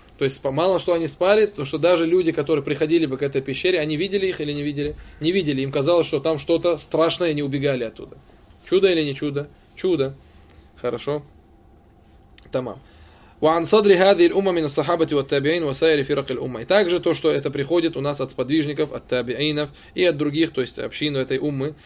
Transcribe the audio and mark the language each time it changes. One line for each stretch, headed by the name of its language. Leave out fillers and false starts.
Russian: То есть мало что они спали, то что даже люди, которые приходили бы к этой пещере, они видели их или не видели? Не видели. Им казалось, что там что-то страшное, и они убегали оттуда. Чудо или не чудо? Чудо. Хорошо. Тамам.
Arabic: وعن صدر هذه الأمة من الصحابة والتابعين وسائر فرق الأمة.
Russian: И также то, что это приходит у нас от сподвижников, от табиинов и от других, то есть общин этой уммы.